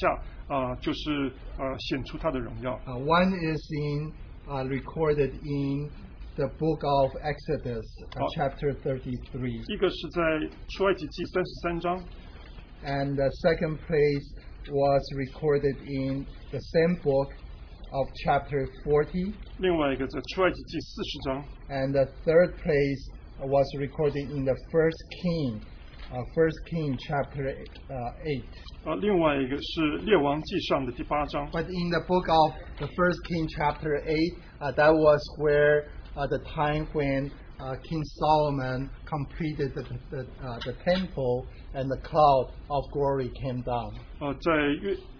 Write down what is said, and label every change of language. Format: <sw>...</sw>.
<zh>他就提到三件事情，在旧约当中，就是当那个云神的荣耀它降下，就是显出他的荣耀。</zh> <en>One is in recorded in the book of Exodus, chapter 33.</en> <zh>一个是在出埃及记33章。</zh> <en>And the second place was recorded in the same book of chapter 40.</en> <zh>另外一个在出埃及记40章。</zh> <en>And the third place was recorded in the first king, chapter 8.</en> <zh>另外一个是列王记上的第八章。</zh> <en>But in the book of the first king, chapter 8, that was where the time when King Solomon completed the temple and the cloud of glory came down.</en>